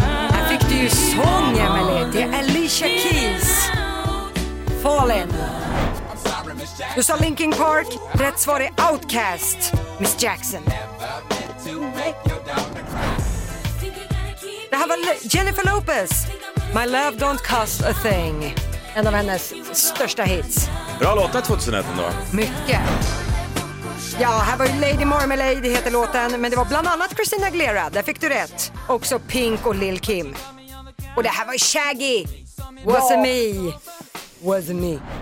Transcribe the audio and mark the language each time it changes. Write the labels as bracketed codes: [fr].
[sv] Här fick du ju sång, Emily. Det är Alicia Keys. Fallen. Du sa Linkin Park. Rätt svar är Outkast. Miss Jackson. Det här var Jennifer Lopez. [en] My love don't cost a thing. [sv] En av hennes största hits. Bra låta 2001 då. Mycket. Ja, här var ju Lady Marmalade heter låten. Men det var bland annat Christina Aguilera. Där fick du rätt. Också Pink och Lil Kim. Och det här var Shaggy. [en] Was it me? Was it me?